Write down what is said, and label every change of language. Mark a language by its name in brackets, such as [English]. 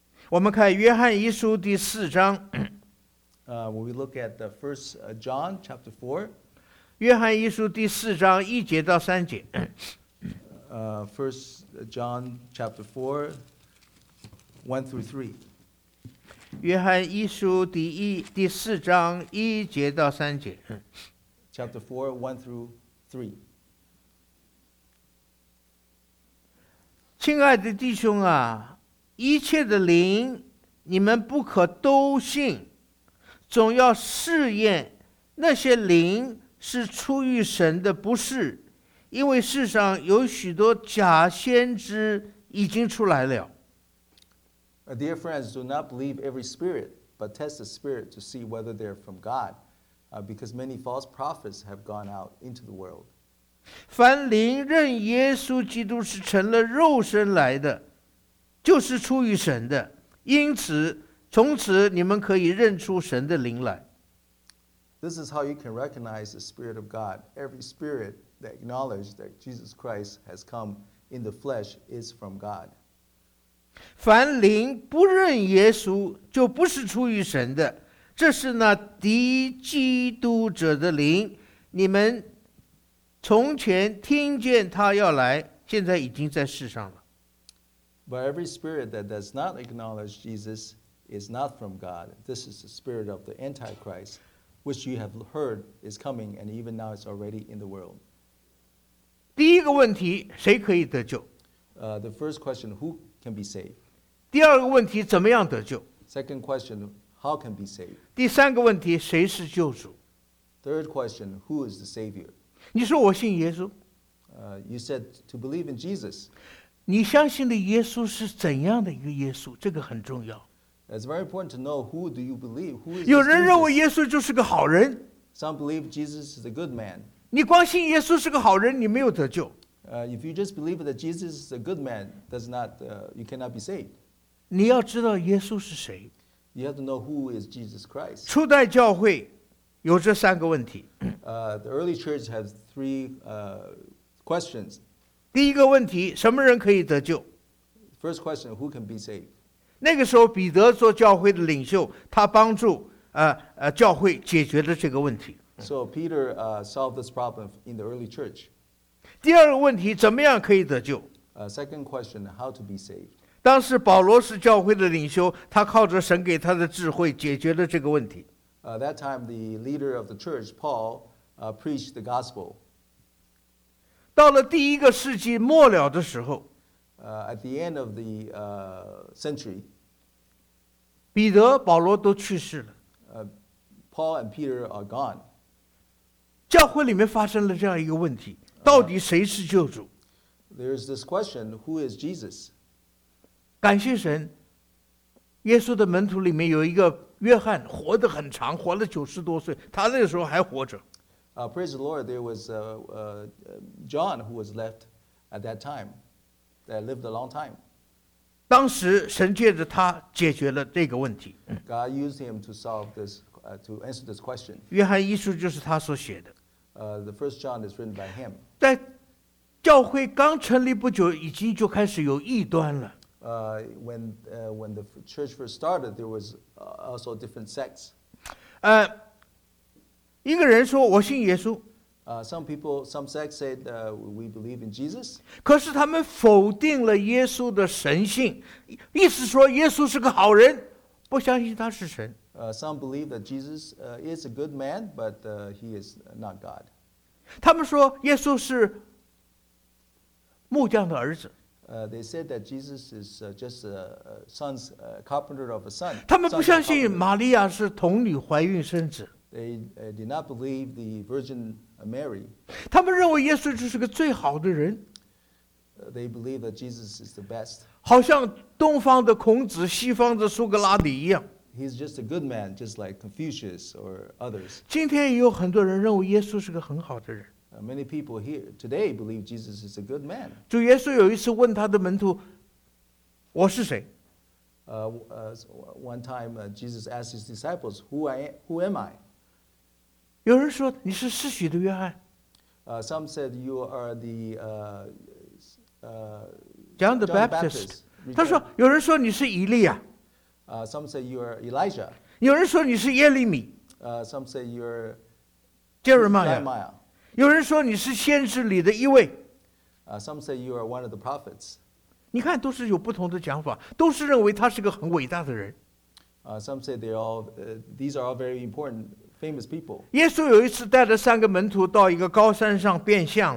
[Chinese] 我们看约翰一书第四章。 [English] When we look at the first John chapter 4. [Chinese] 约翰一书第四章一节到三节。 [English] First John chapter 4, 1 through 3. [Chinese] 约翰一书第一第四章一节到三节。 [English] Chapter 4, 1 through 3. [Chinese] 亲爱的弟兄啊，一切的灵你们不可都信，总要试验那些灵是出于神的不是，因为世上有许多假先知已经出来了。 [English] Dear friends, do not believe every spirit, but test the spirit to see whether they are from God, because many false prophets have gone out into the world. [Chinese] 凡灵认耶稣基督是成了肉身来的，就是出于神的，因此从此你们可以认出神的灵来。 [English] This is how you can recognize the spirit of God. Every spirit that acknowledges that Jesus Christ has come in the flesh is from God. [Chinese] 凡灵不认耶稣就不是出于神的，这是那敌基督者的灵，你们从前听见他要来，现在已经在世上了。 [English] But every spirit that does not acknowledge Jesus is not from God. This is the spirit of the Antichrist, which you have heard is coming, and even now it's already in the world. [Chinese] 第一个问题，谁可以得救？ [English] The first question, who can be saved? [Chinese] 第二个问题，怎么样得救？ [English] Second question, how can be saved? [Chinese] 第三个问题，谁是救主？ [English] Third question, who is the Savior? [Chinese] 你说我信耶稣。 [English] You said to believe in Jesus. [Chinese] 你相信的耶稣是怎样的一个耶稣？这个很重要。 [English] It's very important to know who do you believe. Who is [Chinese] 有人认为耶稣就是个好人。 [English] Some believe Jesus is a good man. [Chinese] 你光信耶稣是个好人，你没有得救。 [English] If you just believe that Jesus is a good man, does not, you cannot be saved. [Chinese] 你要知道耶稣是谁。 [English] You have to know who is Jesus Christ. [Chinese] 初代教会有这三个问题。 [English] The early church has three questions. [Chinese] 第一个问题，什么人可以得救？ [English] First question, who can be saved? [Chinese] 那个时候彼得做教会的领袖，他帮助教会解决了这个问题。 [English] So Peter solved this problem in the early church. [Chinese] 第二个问题，怎么样可以得救？ [English] Second question, how to be saved? [Chinese] 当时保罗是教会的领袖，他靠着神给他的智慧解决了这个问题。 [English] That time, the leader of the church, Paul, preached the gospel. [Chinese] 到了第一个世纪末了的时候， [English] At the end of the century, [Chinese] 彼得、保罗都去世了。 [English] Paul and Peter are gone. [Chinese] 教会里面发生了这样一个问题。到底谁是救主？ [English] There is this question, who is Jesus? [Chinese] 感谢神，耶稣的门徒里面有一个约翰，活得很长，活了九十多岁，他那个时候还活着。 [English] Praise the Lord, there was John who was left at that time, that lived a long time. [Chinese] 当时神借着他解决了这个问题。 [English] God used him to solve this, to answer this question. [Chinese] 约翰一书就是他所写的。 [English] The first John is written by him. [Chinese] 在教会刚成立不久，已经就开始有异端了。 [English] When the church first started, there was also different sects. [Chinese] 一个人说我信耶稣。 [English] Some sects said we believe in Jesus. [Chinese] 可是他们否定了耶稣的神性，意思说耶稣是个好人，不相信他是神。 [English] Some believe that Jesus is a good man, but he is not God. [Chinese] 他们说耶稣是木匠的儿子。 [English] They said that Jesus is just a son's carpenter of a son. [Chinese] 他们不相信玛利亚是童女怀孕生子。 [English] They did not believe the Virgin Mary. [Chinese] 他们认为耶稣就是个最好的人。 [English] They believe that Jesus is the best. [Chinese] 好像东方的孔子，西方的苏格拉底一样。 [English] He's just a good man, just like Confucius or others. [Chinese] 今天也有很多人认为耶稣是个很好的人。 [English] Many people here today believe Jesus is a good man. [Chinese] 主耶稣有一次问他的门徒，我是谁？ [English] One time, Jesus asked his disciples, who am I? [Chinese] 有人说，你是施洗的约翰。 [English] Some said you are the John the Baptist. [Chinese] 他说有人说你是以利亚。 [English] Some say you are Elijah. [Chinese] 有人说你是耶利米。 [English] Some say you are Jeremiah. [Chinese] 有人说你是先知里的一位。 [English] Some say you are one of the prophets. [Chinese] 你看都是有不同的讲法，都是认为他是个很伟大的人。 [English] Some say they are all, these are all very important famous people. [Chinese] 耶稣有一次带着三个门徒到一个高山上变相